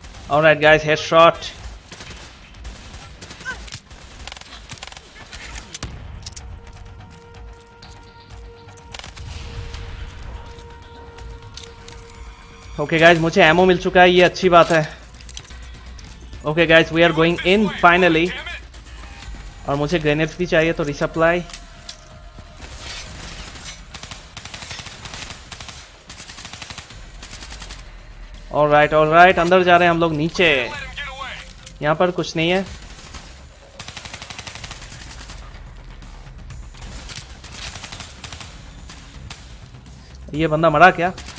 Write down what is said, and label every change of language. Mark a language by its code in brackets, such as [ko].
[en] Alright guys, headshot. Okay guys, [hi] मुझे ammo मिल चुका है, ये अच्छी बात है। [en] Okay guys, we are going in finally. [hi] और मुझे grenades भी चाहिए तो resupply. [en] All right, [hi] अंदर जा रहे हैं हम लोग नीचे। यहाँ पर कुछ नहीं है। ये बंदा मरा क्या?